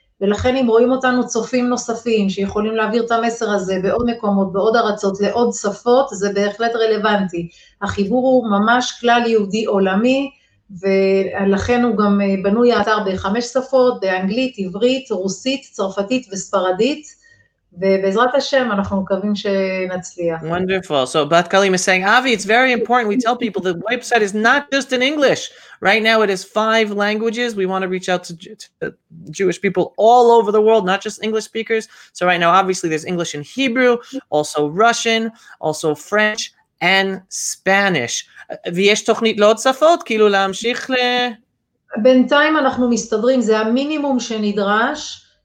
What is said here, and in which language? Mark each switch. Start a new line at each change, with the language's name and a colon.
Hebrew: ולכן אם רואים אותנו צופים נוספים שיכולים להעביר את המסר הזה בעוד מקומות, בעוד ארצות, לעוד שפות, זה בהחלט רלוונטי. החיבור הוא ממש כלל יהודי עולמי, ולכן הוא גם בנוי האתר בחמש שפות, באנגלית, עברית, רוסית, צרפתית וספרדית, ובעזרת השם אנחנו מקווים שנצליח.
English: Wonderful. So Bat Galim is saying, Avi, it's very important, we tell people the website is not just in English. Right now it is 5 languages. We want to reach out to Jewish people all over the world, not just English speakers. So right now, obviously, there's English and Hebrew, also Russian, also French and Spanish.
Hebrew: ויש תוכנית לעוד שפות, כאילו להמשיך ל... בינתיים אנחנו מסתדרים, זה המינימום שנדרש.